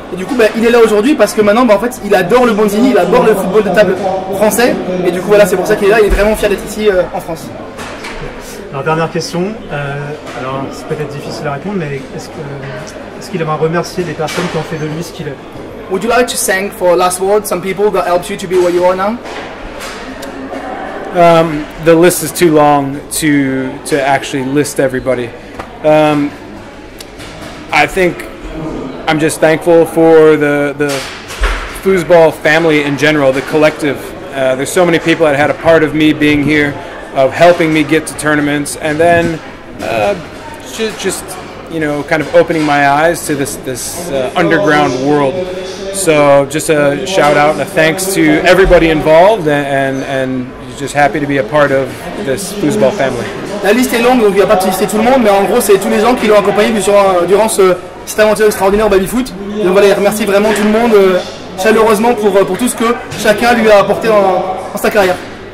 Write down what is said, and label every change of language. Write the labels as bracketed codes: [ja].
[fr] Et du coup, il est là aujourd'hui parce que maintenant, en fait, il adore le bondini, il adore le football de table français. Et du coup, voilà, c'est pour ça qu'il est là. Il est vraiment fier d'être ici en France. Alors, dernière question. C'est peut-être difficile à répondre, mais est-ce qu'il aimerait remercier les personnes qui ont fait de lui ce qu'il est? [en] Would you like to thank for last word some people that helped you to be where you are now? The list is too long to actually list everybody. I think I'm just thankful for the foosball family in general, the collective. There's so many people that had a part of me being here, of helping me get to tournaments, and then just kind of opening my eyes to this underground world. So just a shout out and a thanks to everybody involved and just happy to be a part of this foosball family. [fr] La liste est longue, donc il n'y a pas de lister tout le monde, mais en gros, c'est tous les gens qui l'ont accompagné durant cette aventure extraordinaire au baby-foot. Donc voilà, il remercie vraiment tout le monde chaleureusement pour tout ce que chacun lui a apporté dans sa carrière.